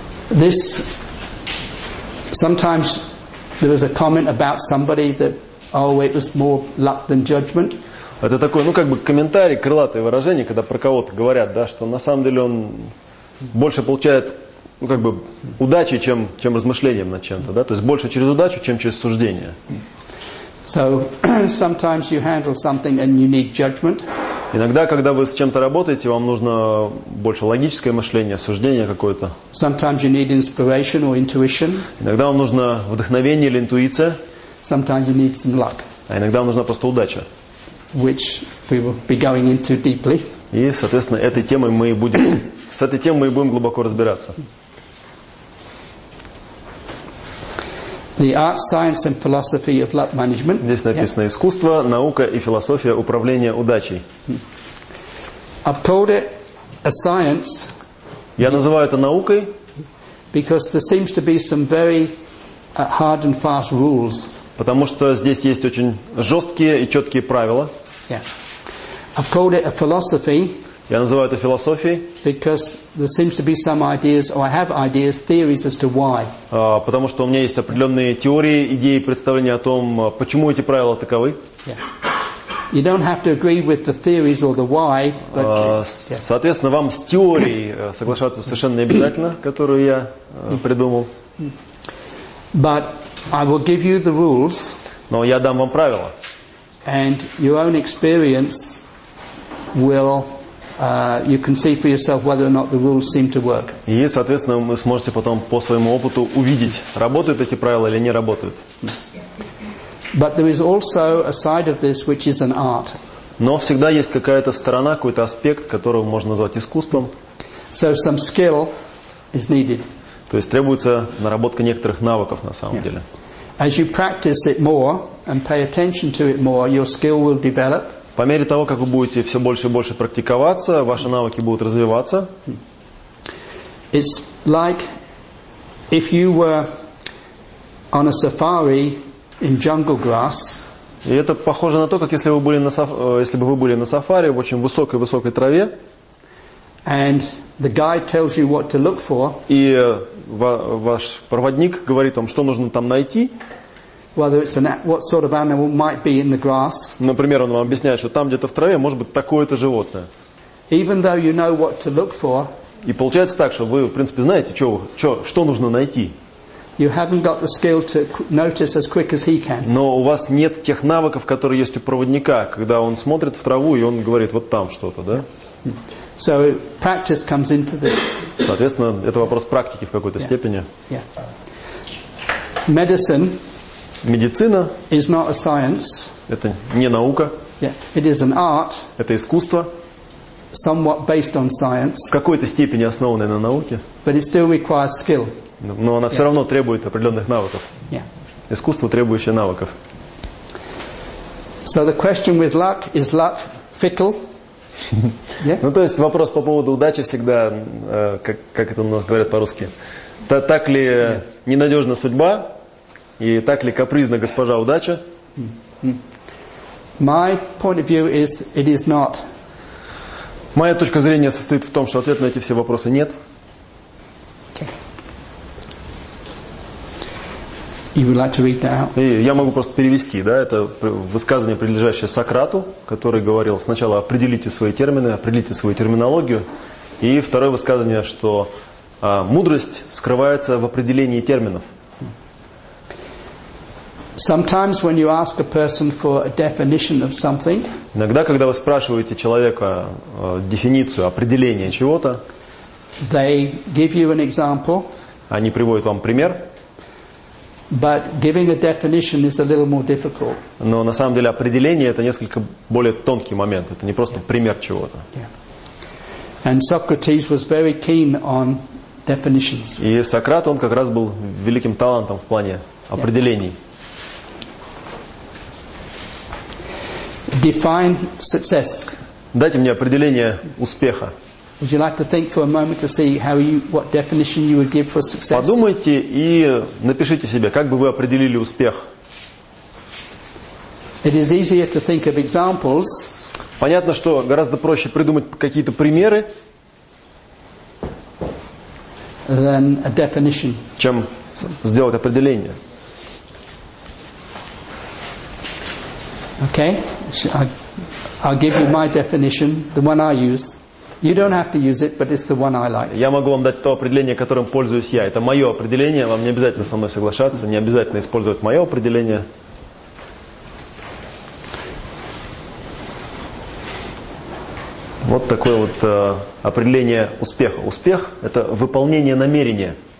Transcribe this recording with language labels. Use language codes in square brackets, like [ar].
[en] This sometimes there was a comment about somebody that it was more luck than judgment. [ru] Это такой, ну как бы комментарий, крылатое выражение, когда про кого-то говорят, да, что на самом деле он больше получает, ну как бы удачи, чем размышлением над чем-то, да, то есть больше через удачу, чем через суждение. [en] So sometimes you handle something and you need judgment. [ru] Иногда, когда вы с чем-то работаете, вам нужно больше логическое мышление, суждение какое-то. [en] Sometimes you need inspiration or intuition. [ru] Иногда вам нужно вдохновение или интуиция. [en] Sometimes you need some luck. [ru] А иногда вам нужна просто удача. [en] Which we will be going into deeply. [ru] И, соответственно, этой темой мы будем с этой темой мы будем глубоко разбираться. [en] The art, science, and philosophy of luck management. [ru] Здесь написано искусство, наука и философия управления удачей. [en] I've called it a science. [ru] Я называю это наукой. [en] Because there seems to be some very hard and fast rules. [ru] Потому что здесь есть очень жесткие и четкие правила. [en] Yeah. I've called it a philosophy. [ru] Я называю это философией. [en] Because there seems to be some ideas, or I have ideas, theories as to why. [ru] Потому что у меня есть определенные теории, идеи, представления о том, почему эти правила таковы. [en] Yeah. You don't have to agree with the theories or the why, but. [ru] Соответственно, вам с теорией соглашаться совершенно не обязательно, которую я придумал. [en] But I will give you the rules. [ru] Но я дам вам правила. [en] And your own experience will you can see for yourself whether or not the rules seem to work. [ru] И, соответственно, вы сможете потом по своему опыту увидеть, работают эти правила или не работают. [en] But there is also a side of this which is an art. [ru] Но всегда есть какая-то сторона, какой-то аспект, которого можно назвать искусством. [en] So some skill is needed. [ru] То есть требуется наработка некоторых навыков на самом деле. [en] As you practice it more and pay attention to it more, your skill will develop. [ru] По мере того, как вы будете все больше и больше практиковаться, ваши навыки будут развиваться. [en] It's like if you were on a safari in jungle grass. [ru] И это похоже на то, как если бы вы были на сафари в очень высокой траве. [en] And the guide tells you what to look for. [ru] И ваш проводник говорит вам, что нужно там найти. [en] Whether it's what sort of animal might be in the grass. [ru] Например, он вам объясняет, что там где-то в траве может быть такое-то животное. [en] Even though you know what to look for. [ru] И получается так, что вы в принципе знаете, что нужно найти. [en] You haven't got the skill to notice as quick as he can. [ru] Но у вас нет тех навыков, которые есть у проводника, когда он смотрит в траву и он говорит, вот там что-то, да? [en] So practice comes into this. [ru] Соответственно, это вопрос практики в какой-то степени. [en] Yeah. Medicine [ru] Медицина [en] is not a science. [ru] Это не наука. [en] Yeah. It is an art. [ru] Это искусство. [en] Somewhat based on science. [ru] В какой-то степени основанное на науке. [en] But it still requires skill. [ru] Но она все равно требует определенных навыков. [en] Yeah. [ru] Искусство, требующее навыков. [en] So the question with luck, is luck fickle? [ru] Yeah? Ну, то есть вопрос по поводу удачи всегда, как это у нас говорят по-русски. Так ли ненадежна судьба? И так ли капризна госпожа удача? [en] My point of view is, it is not. [ru] Моя точка зрения состоит в том, что ответ на эти все вопросы нет. [en] You would like to read that out. [ru] И я могу просто перевести, да, это высказывание, принадлежащее Сократу, который говорил: сначала определите свои термины, определите свою терминологию. И второе высказывание, что мудрость скрывается в определении терминов. [en] Sometimes when you ask a person for a definition of something, [ru] иногда, когда вы спрашиваете человека дефиницию, определение чего-то, [en] they give you an example, [ru] они приводят вам пример. [en] But giving a definition is a little more difficult. [ru] Но на самом деле определение это несколько более тонкий момент. Это не просто пример чего-то. [en] Yeah. And Socrates was very keen on definitions. [ru] И Сократ, он как раз был великим талантом в плане определений. [en] Define success. [ru] Дайте мне определение успеха. [en] Would you like to think for a moment to see how you what definition you would give for success? [ru] Подумайте и напишите себе, как бы вы определили успех. [en] It is easier to think of examples. [ru] Понятно, что гораздо проще придумать какие-то примеры, [en] than a definition. [ru] Чем сделать определение. [en] Okay, I'll give you my definition, the one I use. You don't have to use it, but it's the one I like. [ru] Я могу вам дать то определение, которым пользуюсь я. Это мое определение. Вам не обязательно со мной соглашаться, не обязательно использовать мое определение. Вот такое вот определение успеха. Успех – это выполнение намерения.